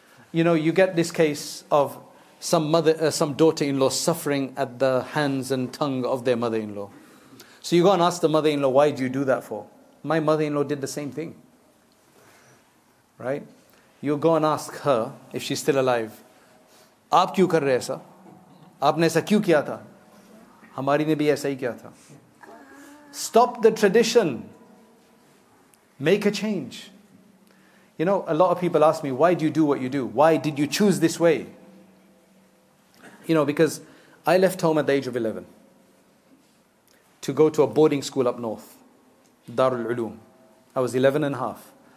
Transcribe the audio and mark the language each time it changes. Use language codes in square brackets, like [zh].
[en] You know, you get this case of some daughter-in-law suffering at the hands and tongue of their mother-in-law. So you go and ask the mother-in-law, why do you do that for? My mother-in-law did the same thing. Right? You go and ask her, if she's still alive, [ur] آپ کیوں کر رہے ایسا؟ آپ نے ایسا کیوں کیا تھا؟ ہماری نے بھی ایسا ہی کیا تھا۔ [en] Stop the tradition. Make a change. You know, a lot of people ask me, why do you do what you do? Why did you choose this way? You know, because I left home at the age of 11 to go to a boarding school up north, Darul Uloom. I was 11 and a half.